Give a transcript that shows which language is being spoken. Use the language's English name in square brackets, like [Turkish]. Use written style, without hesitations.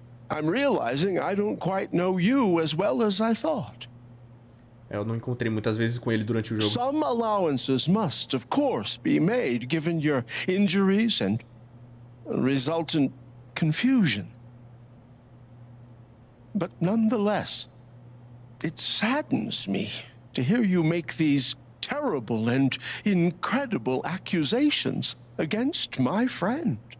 [English] I'm realizing I don't quite know you as well as I thought. [Portuguese] Eu não encontrei muitas vezes com ele durante o jogo. [English] Some allowances must, of course, be made given your injuries and resultant confusion. But nonetheless, it saddens me to hear you make these terrible and incredible accusations against my friend.